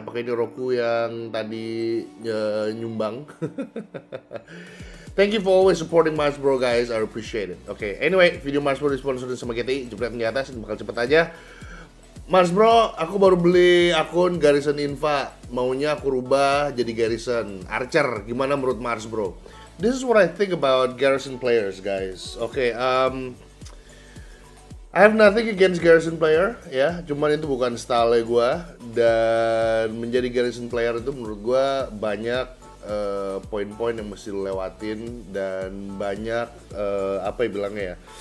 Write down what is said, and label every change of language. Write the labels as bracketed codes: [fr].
[id] Apakah ini Roku yang tadi nyumbang? [en] Thank you for always supporting Mars Bro guys. I appreciate it. [id] Oke, okay. Anyway, video Mars Bro disponsorin sama GTI. Jepret di atas, bakal cepet aja. Mars Bro, aku baru beli akun Garrison Inva. Maunya aku rubah jadi Garrison Archer. Gimana menurut Mars Bro? [en] This is what I think about Garrison players, guys. Oke, okay, I have nothing against Garrison player, ya. [id] Cuman itu bukan style gue. Dan menjadi Garrison player itu menurut gue banyak poin-poin yang mesti lewatin dan banyak apa ya bilangnya ya.